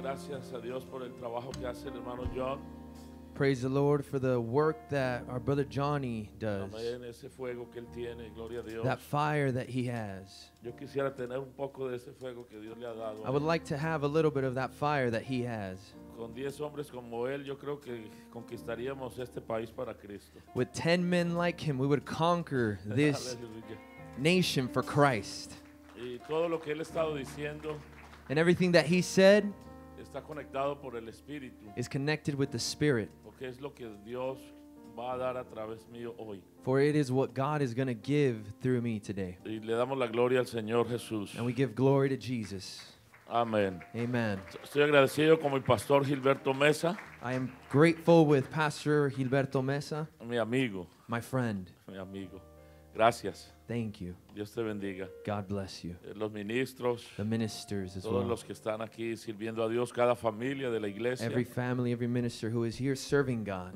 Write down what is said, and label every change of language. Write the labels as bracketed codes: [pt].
[es] Gracias a Dios por el trabajo que hace el hermano John. [en] Praise the Lord for the work that our brother Johnny does. [es] Amén. Ese fuego que él tiene, gloria a Dios. [en] That fire that he has. [es] Yo quisiera tener un poco de ese fuego que Dios le ha dado. [en] I would like to have a little bit of that fire that he has. [es] Con 10 hombres como él, yo creo que conquistaríamos este país para Cristo. [en] With 10 men like him, we would conquer this nation for Christ. [es] Y todo lo que él ha estado diciendo, [en] and everything that he said, [es] está conectado por el Espíritu. [en] Is connected with the Spirit. [es] Porque es lo que Dios va a dar a través mío hoy. [en] For it is what God is going to give through me today. [es] Y le damos la gloria al Señor Jesús. [en] And we give glory to Jesus. Amen. Amen. [es] Estoy agradecido con mi pastor Gilberto Mesa. [en] I am grateful with Pastor Gilberto Mesa. [es] Mi amigo. [en] My friend. [es] Mi amigo. Gracias. [en] Thank you. [es] Dios te bendiga. [en] God bless you. [es] Los ministros. [en] The ministers as [es] todos [en] well. [es] Todos los que están aquí sirviendo a Dios, cada familia de la iglesia. [en] Every family, every minister who is here serving God.